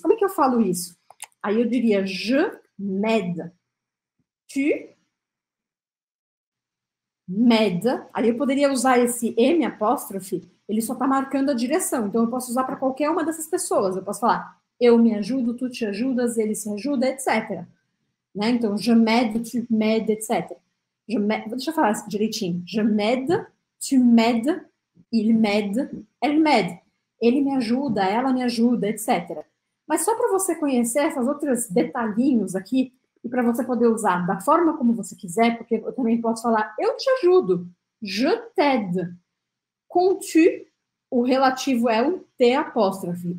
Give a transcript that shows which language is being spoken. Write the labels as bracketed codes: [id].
[pt] Como é que eu falo isso? Aí eu diria [fr] je. M'aide. Tu. M'aide. [pt] Aí eu poderia usar esse M apóstrofe, ele só está marcando a direção. Então eu posso usar para qualquer uma dessas pessoas. Eu posso falar, eu me ajudo, tu te ajudas, ele se ajuda, etc. Né? Então, [fr] je m'aide, tu m'aide, etc. Je m'aide, [pt] deixa eu falar assim, direitinho. [fr] Je m'aide, tu m'aide, il m'aide, elle m'aide. [pt] Ele me ajuda, ela me ajuda, etc. Mas só para você conhecer essas outras detalhinhos aqui e para você poder usar da forma como você quiser, porque eu também posso falar, eu te ajudo. [fr] Je t'aide. [pt] Com tu, o relativo é o T apóstrofe.